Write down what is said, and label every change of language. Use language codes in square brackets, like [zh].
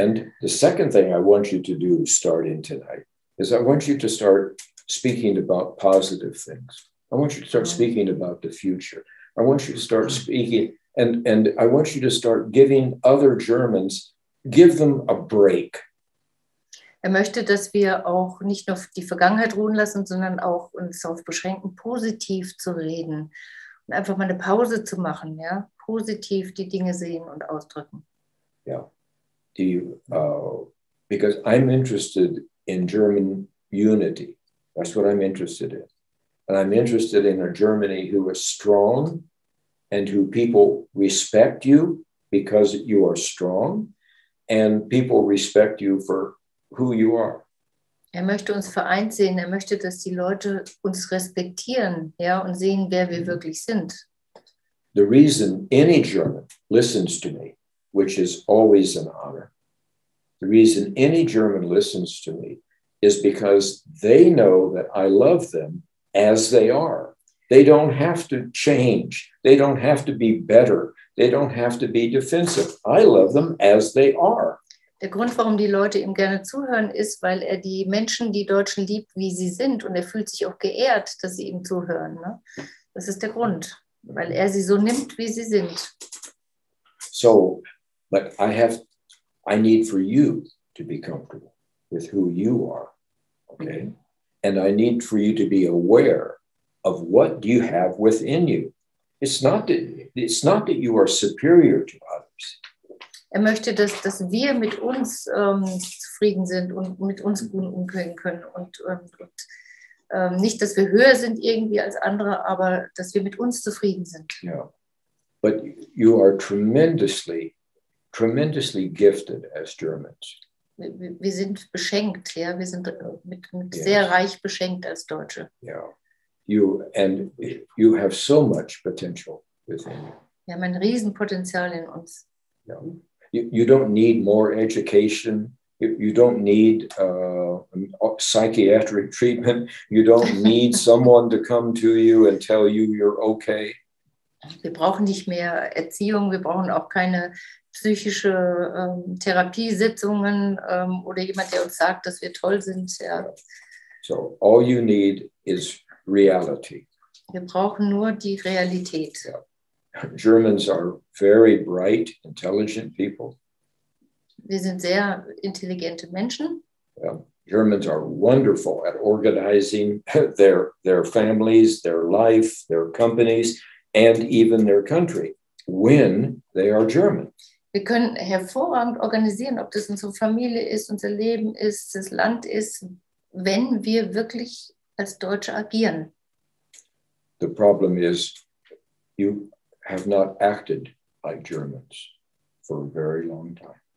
[en] And the second thing I want you to do starting tonight is I want you to start speaking about positive things. I want you to start speaking about the future. I want you to start speaking, and I want you to start giving other Germans, give them a break. [de] Er möchte, dass wir auch nicht nur die Vergangenheit ruhen lassen, sondern auch uns darauf beschränken, positiv zu reden und einfach mal eine Pause zu machen, ja, positiv die Dinge sehen und ausdrücken. [en] Ja. Yeah. Because I'm interested in German unity. That's what I'm interested in. And I'm interested in a Germany who is strong and who people respect you because you are strong and people respect you for who you are. [de] Er möchte uns vereint sehen. Er möchte, dass die Leute uns respektieren, ja, und sehen, wer wir wirklich sind. [en] The reason any German listens to me, which is always an honor. The reason any German listens to me is because they know that I love them as they are. They don't have to change. They don't have to be better. They don't have to be defensive. I love them as they are. [de] Der Grund, warum die Leute ihm gerne zuhören, ist, weil er die Menschen, die Deutschen, liebt, wie sie sind. Und er fühlt sich auch geehrt, dass sie ihm zuhören. Ne? Das ist der Grund, weil er sie so nimmt, wie sie sind. [en] So, but I need for you to be comfortable with who you are, okay? And I need for you to be aware of what you have within you. It's not that you are superior to others. [de] Er möchte, dass wir mit uns zufrieden sind und mit uns gut umgehen können. Und nicht, dass wir höher sind irgendwie als andere, aber dass wir mit uns zufrieden sind. [en] Yeah. But you are tremendously, tremendously gifted as Germans. [de] Wir sind beschenkt, ja. Wir sind mit yes. sehr reich beschenkt als Deutsche. [en] Yeah. You have so much potential within you. [de] Wir haben ein Riesenpotenzial in uns. [en] Yeah. You don't need more education. You don't need psychiatric treatment. You don't need someone to come to you and tell you you're okay. [de] Wir brauchen nicht mehr Erziehung. Wir brauchen auch keine psychische Therapiesitzungen oder jemand, der uns sagt, dass wir toll sind. Ja. [en] So all you need is reality. [de] Wir brauchen nur die Realität. [en] Yeah. Germans are very bright, intelligent people. [de] Wir sind sehr intelligente Menschen. [en] Yeah. Germans are wonderful at organizing their families, their life, their companies, and even their country when they are German. [de] Wir können hervorragend organisieren, ob das unsere Familie ist, unser Leben ist, das Land ist, wenn wir wirklich als Deutsche agieren. [en] The problem is, you have not acted like Germans for a very long time.